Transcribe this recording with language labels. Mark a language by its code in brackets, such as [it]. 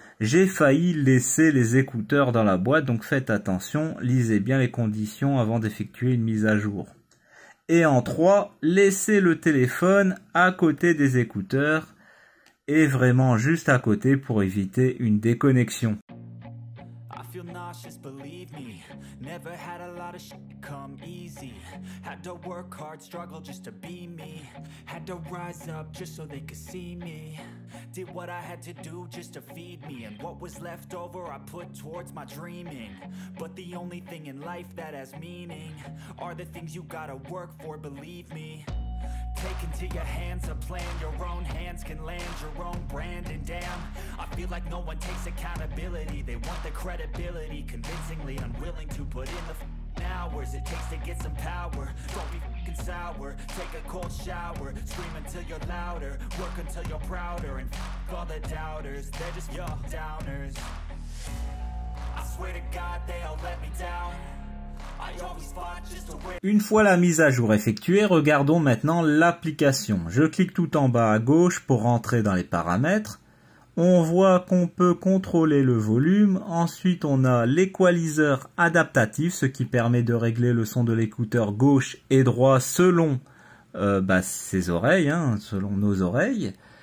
[fr] J'ai failli laisser les écouteurs dans la boîte, donc faites attention, lisez bien les conditions avant d'effectuer une mise à jour. Et en 3, laissez le téléphone à côté des écouteurs et vraiment juste à côté pour éviter une déconnexion. [en] Nauseous, believe me, never had a lot of shit come easy, had to work hard, struggle just to be me, had to rise up just so they could see me, did what I had to do just to feed me, and what was left over I put towards my dreaming, but the only thing in life that has meaning, are the things you gotta work for, believe me. Take into your hands a plan, your own hands can land your own brand, and damn, I feel like no one takes accountability, they want the credibility, convincingly unwilling to put in the hours it takes to get some power, don't be f***ing sour, take a cold shower, scream until you're louder, work until you're prouder, and f*** all the doubters, they're just your downers, I swear to God they all let me down. [fr] Une fois la mise à jour effectuée, regardons maintenant l'application. Je clique tout en bas à gauche pour rentrer dans les paramètres. On voit qu'on peut contrôler le volume. Ensuite, on a l'équaliseur adaptatif, ce qui permet de régler le son de l'écouteur gauche et droit selon ses oreilles, selon nos oreilles.